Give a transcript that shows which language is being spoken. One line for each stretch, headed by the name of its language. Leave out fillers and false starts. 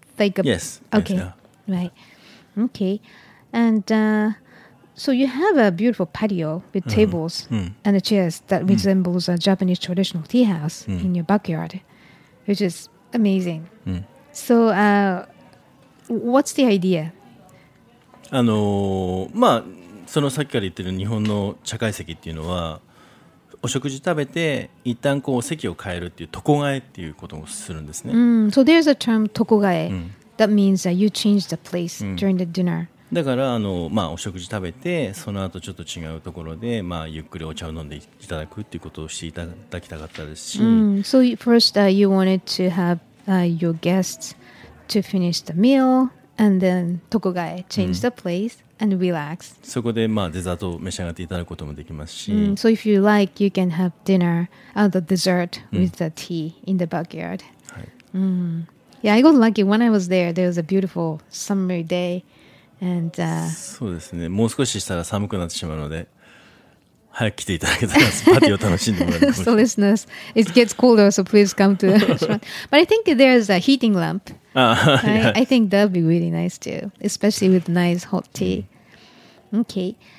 English: Right. Okay. And so you have a beautiful patio with tables and chairs that resembles a Japanese traditional tea house in your backyard, which is amazing. So what's the idea
Japanese: まあそのさっきから言ってる日本の茶会席っていうのはお食事食べて一旦こう席を変えるっていう床替えっていうことをするんですね、 mm.
English: So there's a term 床替え、うん、That means that you change the place during the dinner、
Japanese: うん、だからまあお食事食べてその後ちょっと違うところで、まあ、ゆっくりお茶を飲んでいただくっていうことをしていただきたかったですし、 mm.
English: So first you wanted to have your guests to finish the meal and then 床替え change the place、うんAnd relax.
Japanese: そこでまあデザートを召し上がっていただくこともできますし、 mm.
English: So if you like, you can have dinner at the dessert with、mm. the tea in the backyard、
Japanese: はい mm.
English: Yeah, I got lucky when I was there. There was a beautiful summer day and,
Japanese: そうですね、もう少ししたら寒くなってしまうので早く来ていただけたらパーティーを楽しんでもらえるかもしれない
English: So listeners, it gets colder, so please come to the restaurant But I think there's a heating lampI think that would be really nice too, especially with nice hot tea. Okay.